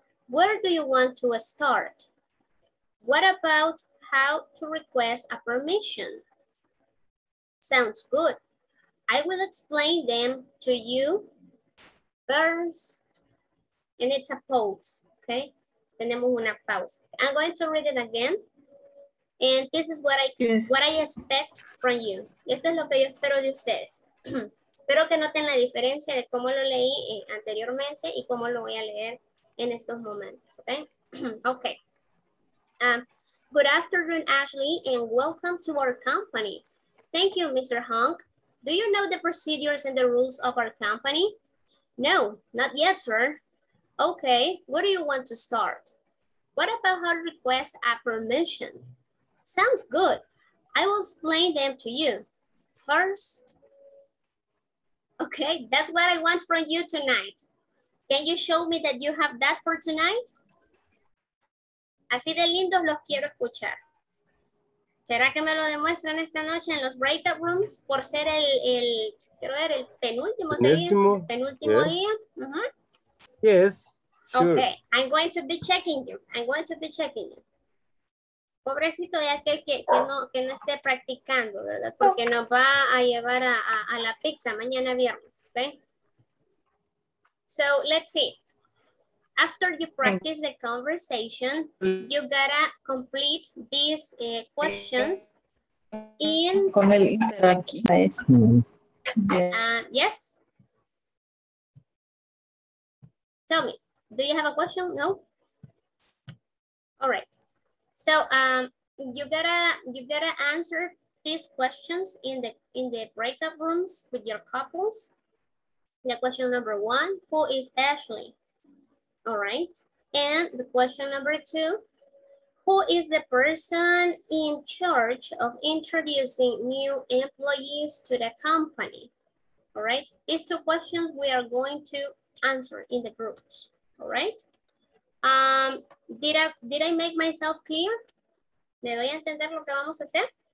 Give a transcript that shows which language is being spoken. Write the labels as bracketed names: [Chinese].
[English] Where do you want to start? What about how to request a permission? Sounds good. I will explain them to you first. And it's a pause, okay? [Spanish] Tenemos una pausa. [English] I'm going to read it again. And this is what I expect from you. [Spanish] Esto es lo que yo espero de ustedes. Espero que noten la diferencia de cómo lo leí anteriormente y cómo lo voy a leer en estos momentos, okay? Okay. [English] Good afternoon, Ashley, and welcome to our company. Thank you, Mr. Hong. Do you know the procedures and the rules of our company? No, not yet, sir. Okay, where do you want to start? What about how to request a permission? Sounds good. I will explain them to you. First, okay, that's what I want from you tonight. Can you show me that you have that for tonight? [Spanish] Así de lindos los quiero escuchar. ¿Será que me lo demuestran esta noche en los breakout rooms por ser el quiero ver, el penúltimo, penúltimo yeah. día? [English] Uh-huh. Yes. Sure. Okay, I'm going to be checking you. I'm going to be checking you. [Spanish] Pobrecito de aquel que no esté practicando, ¿verdad? Porque nos va a llevar a la pizza mañana viernes, ¿okay? [English] So, let's see. After you practice the conversation, you gotta complete these questions in... [Spanish] Con el interactivo. [English] Yes? Tell me, do you have a question? No? All right. So you gotta answer these questions in the breakout rooms with your couples. The question number one, who is Ashley? All right. And the question number two, who is the person in charge of introducing new employees to the company? All right. These two questions we are going to answer in the groups. All right. Did I make myself clear? [Spanish] ¿Me doy a entender lo que vamos a hacer?